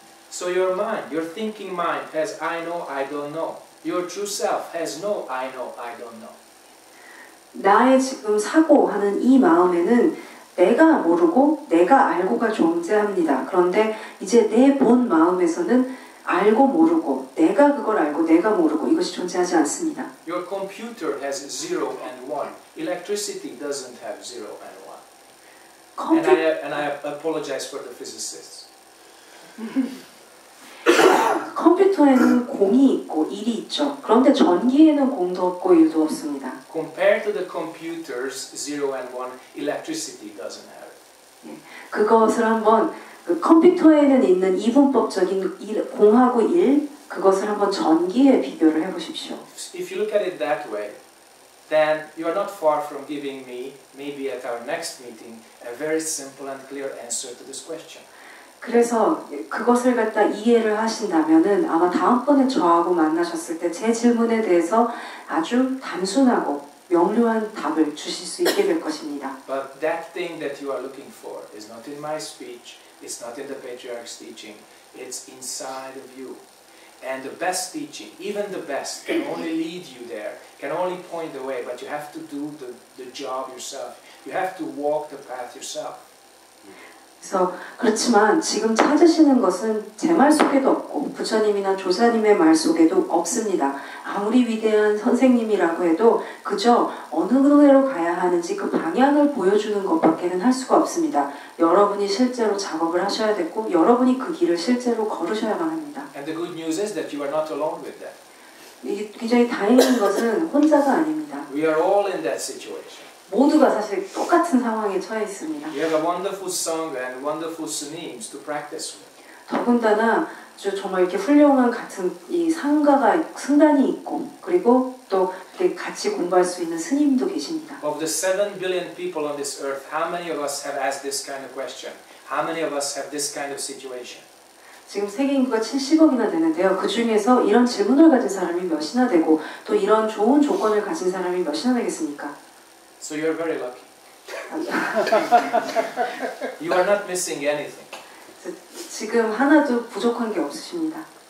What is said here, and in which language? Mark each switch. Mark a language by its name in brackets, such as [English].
[English] So your mind, your thinking mind has I know, I don't know. Your true self has no I know, I don't know. [Korean] 나의 지금 사고하는 이 마음에는 내가 모르고 내가 알고가 존재합니다. 그런데 이제 내 본 마음에서는 알고 모르고 내가 그걸 알고 내가 모르고 이것이 존재하지 않습니다. [English] Your computer has 0 and 1. Electricity doesn't have 0 and 1. And I apologize for the physicists. [Korean] 컴퓨터에는 공이 있고 일이 있죠. 그런데 전기에는 공도 없고 일도 없습니다. [English] Compared to the computers, zero and one, electricity doesn't have it. [Korean] 그것을 한번 그 컴퓨터에는 있는 이분법적인 일, 공하고 일 그것을 한번 전기에 비교를 해보십시오. [English] If you look at it that way, then you are not far from giving me, maybe at our next meeting, a very simple and clear answer to this question. [Korean] 그래서 그것을 갖다 이해를 하신다면은 아마 다음번에 저하고 만나셨을 때 제 질문에 대해서 아주 단순하고 명료한 답을 주실 수 있게 될 것입니다. [English] But that thing that you are looking for is not in my speech, it's not in the patriarch's teaching, it's inside of you. And the best teaching, even the best, can only lead you there, can only point the way, but you have to do the job yourself. You have to walk the path yourself. [Korean] 그렇지만 지금 찾으시는 것은 제 말 속에도 없고 부처님이나 조사님의 말 속에도 없습니다. 아무리 위대한 선생님이라고 해도 그저 어느 길로 가야 하는지 그 방향을 보여주는 것밖에는 할 수가 없습니다. 여러분이 실제로 작업을 하셔야 됐고 여러분이 그 길을 실제로 걸으셔야만 합니다. [English] And the good news is that you are not alone with that. [Korean] 굉장히 다행인 것은 혼자가 아닙니다. [English] We are all in that situation. [Korean] 모두가 사실 똑같은 상황에 처해 있습니다. [English] You have a wonderful song and wonderful sunims to practice with. [Korean] 더군다나 저 정말 이렇게 훌륭한 같은 이 상가가 승단이 있고 그리고 또 이렇게 같이 공부할 수 있는 스님도 계십니다. [English] Of the 7 billion people on this earth, how many of us have asked this kind of question? How many of us have this kind of situation? [Korean] 지금 세계 인구가 70억이나 되는데요. 그 중에서 이런 질문을 가진 사람이 몇이나 되고 또 이런 좋은 조건을 가진 사람이 몇이나 되겠습니까? [English] So you're very lucky. You are not missing anything. [Korean] 지금 하나도 부족한 게 없으십니다.